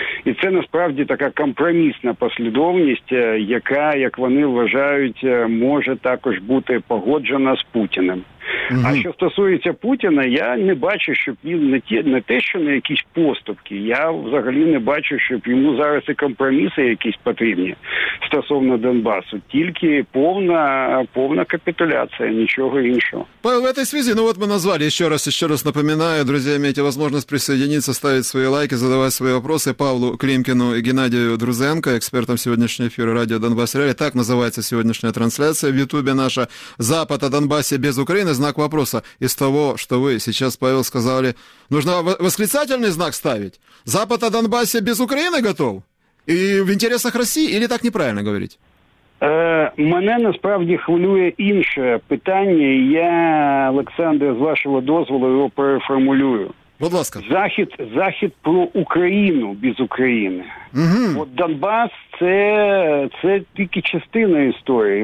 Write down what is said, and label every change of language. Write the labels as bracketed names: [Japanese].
[Ukrainian] І це насправді така компромісна послідовність, яка, як вони вважають, може також бути погоджена з Путіним. Mm-hmm. А що стосується Путіна, я не бачу, щоб він не те, що на якісь поступки. Я взагалі не бачу, щоб йому зараз і компроміси якісь потрібні стосовно Донбасу. Тільки повна капітуляція, нічого іншого. [Russian] Павел, в этой связи, ну вот мы назвали, еще раз напоминаю, друзья, имейте возможность присоединиться, ставить свои лайки, задавать свои вопросы Павлу Климкину и Геннадию Друзенко, экспертам сегодняшнего эфира радио «Донбасс Реалии». Так называется сегодняшняя трансляция в Ютубе наша «Запад о Донбассе без Украины». Знак вопроса. Из того, что вы сейчас, Павел, сказали, нужно восклицательный знак ставить. Запад о Донбассе без Украины готов? И в интересах России? Или так неправильно говорить? [Ukrainian] Мене насправді хвилює інше питання, і я, Олександр, з вашого дозволу його переформулюю. Будь ласка. Захід про Україну без України. Угу. От Донбас – це тільки частина історії.